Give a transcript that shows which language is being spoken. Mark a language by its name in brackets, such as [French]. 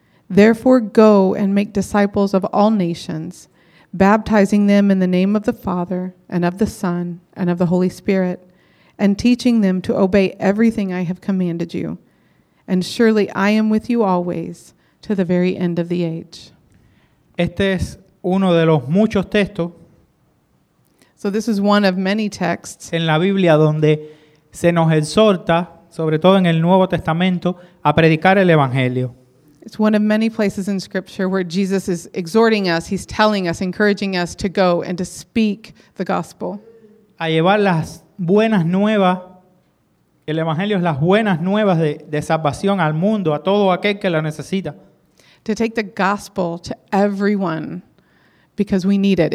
[English] Therefore, go and make disciples of all nations, baptizing them in the name of the Father and of the Son and of the Holy Spirit, and teaching them to obey everything I have commanded you. And surely I am with you always to the very end of the age. [Spanish] Este es uno de los muchos textos. [English] So this is one of many texts. [Spanish] En la Biblia donde se nos exhorta, sobre todo en el Nuevo Testamento, a predicar el Evangelio. [English] It's one of many places in Scripture where Jesus is exhorting us, he's telling us, encouraging us to go and to speak the gospel. [Spanish] A llevar las buenas nuevas, el Evangelio es las buenas nuevas de salvación al mundo, a todo aquel que lo necesita. [English] To take the gospel to everyone because we need it.